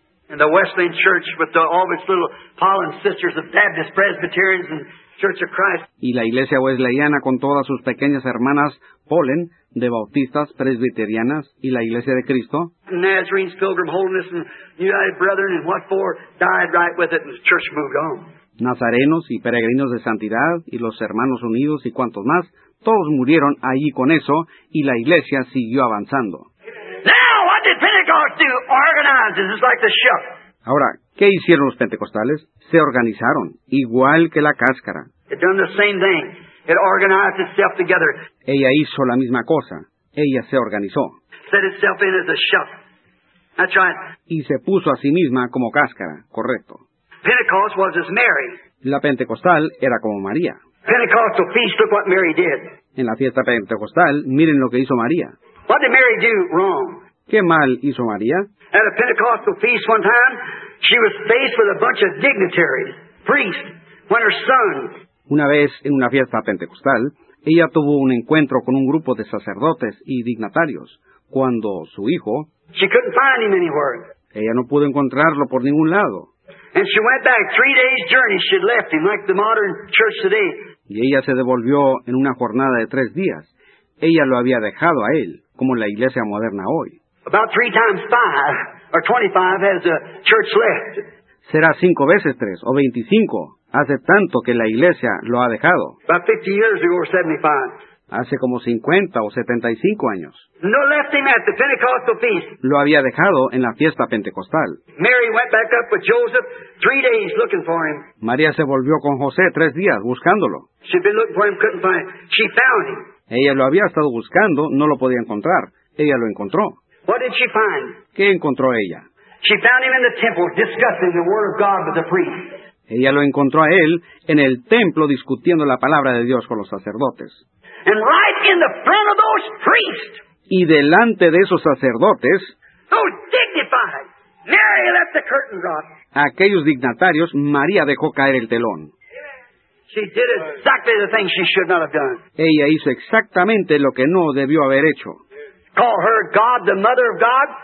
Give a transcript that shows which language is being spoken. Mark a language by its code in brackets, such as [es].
[en] In the Wesleyan Church, with the, all its little fallen sisters of Baptist Presbyterians and Church of Christ. [es] Y la iglesia wesleyana con todas sus pequeñas hermanas Polen, de Bautistas, Presbiterianas y la Iglesia de Cristo. [en] Nazarenes, Pilgrim Holiness, and United Brethren, and what for, died right with it, and the church moved on. [es] Nazarenos y Peregrinos de Santidad, y los Hermanos Unidos, y cuantos más, todos murieron allí con eso, y la iglesia siguió avanzando. [en] Now, what did Pentecost do? Organize, it's like the shuck. [es] Ahora, ¿qué hicieron los pentecostales? Se organizaron, igual que la cáscara. [en] It done the same thing. It organized itself together. [es] Ella hizo la misma cosa. Ella se organizó. [en] Set itself in as a shuck. That's right. [es] Y se puso a sí misma como cáscara. Correcto. [en] Pentecost was as Mary. [es] La pentecostal era como María. [en] Pentecostal feast, look what Mary did. [es] En la fiesta pentecostal, miren lo que hizo María. [en] What did Mary do wrong? [es] ¿Qué mal hizo María? [en] At a Pentecostal feast one time, she was faced with a bunch of dignitaries, priests, when her son... [es] Una vez, en una fiesta pentecostal, ella tuvo un encuentro con un grupo de sacerdotes y dignatarios, cuando su hijo... [en] She couldn't find him anywhere. [es] Ella no pudo encontrarlo por ningún lado. [en] And she went back 3 days' journey. She left him, like the modern church today. [es] Y ella se devolvió en una jornada de 3 días. Ella lo había dejado a él, como la iglesia moderna hoy. [en] About 3 times 5, or 25, has the church left. [es] Será 5 veces 3, o 25. Hace tanto que la iglesia lo ha dejado. [en] About 50 years ago, or 75. [es] Hace como 50 o 75 años. [en] No left him at the Pentecostal feast. [es] Lo había dejado en la fiesta pentecostal. [en] Mary went back up with Joseph 3 days looking for him. [es] María se volvió con José 3 días buscándolo. [en] She'd been looking for him, couldn't find him. She found him. [es] Ella lo había estado buscando, no lo podía encontrar. Ella lo encontró. [en] What did she find? [es] ¿Qué encontró ella? [en] She found him in the temple discussing the word of God with the priest. [es] Ella lo encontró a él en el templo discutiendo la palabra de Dios con los sacerdotes. [en] And right in the front of those priests. [es] Y delante de esos sacerdotes. [en] Those dignified. Mary let the curtain drop. [es] Aquellos dignatarios, María dejó caer el telón. [en] She did exactly the thing she should not have done. [es] Ella hizo exactamente lo que no debió haber hecho. [en] Call her God, the mother of God.